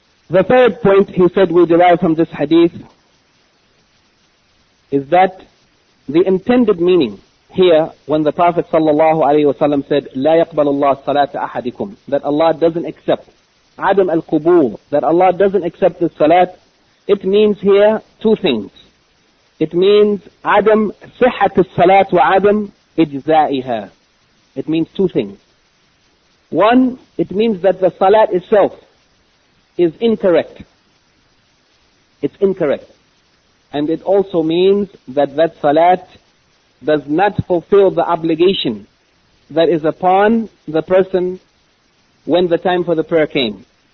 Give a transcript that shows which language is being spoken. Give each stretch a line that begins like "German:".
English: The third point he said we derive from this hadith is that the intended meaning here, when the Prophet sallallahu alaihi wasallam said
Arabic: لا يقبل الله صلاة أحدكم,
English: that Allah doesn't accept
Arabic: عدم القبول,
English: that Allah doesn't accept the salat, it means here two things. It means
Arabic: عدم صحة الصلاة وعدم إجزائها.
English: It means two things. One, it means that the salat itself is incorrect. It's incorrect. And it also means that that salat does not fulfill the obligation that is upon the person when the time for the prayer came.